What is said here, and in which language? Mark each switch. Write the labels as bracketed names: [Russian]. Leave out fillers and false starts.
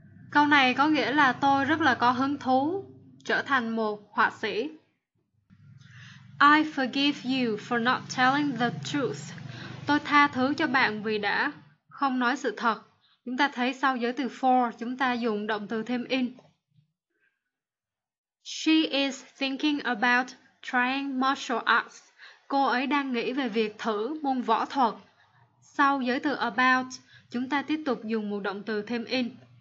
[Vietnamese] Câu này có nghĩa là tôi rất là có hứng thú trở thành một họa sĩ. [English] I forgive you for not telling the truth. [Vietnamese] Tôi tha thứ cho bạn vì đã không nói sự thật. Chúng ta thấy sau giới từ for chúng ta dùng động từ thêm in. [English] She is thinking about trying martial arts. [Vietnamese] Cô ấy đang nghĩ về việc thử môn võ thuật. Sau giới từ about, chúng ta tiếp tục dùng một động từ thêm in.